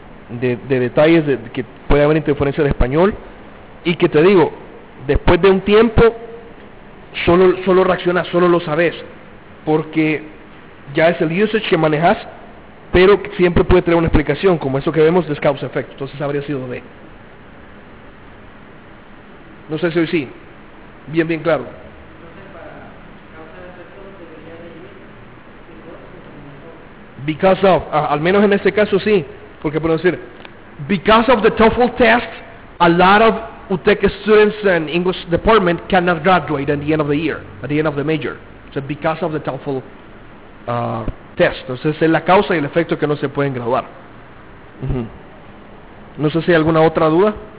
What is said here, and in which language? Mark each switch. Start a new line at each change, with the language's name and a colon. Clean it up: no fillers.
Spanish: De detalles de que puede haber interferencia de español y que te digo, después de un tiempo solo reaccionas, solo lo sabes, porque ya es el usage que manejas, pero siempre puede tener una explicación, como eso que vemos es causa efecto. Entonces habría sido de, no sé si hoy sí bien claro.
English: Because of,
Spanish: al menos en este caso sí. Porque puedo decir,
English: because of the TOEFL test, a lot of UTEC students and English department cannot graduate at the end of the year, at the end of the major. So because of the TOEFL test.
Spanish: Entonces es la causa y el efecto que no se pueden graduar. Uh-huh. No sé si hay alguna otra duda.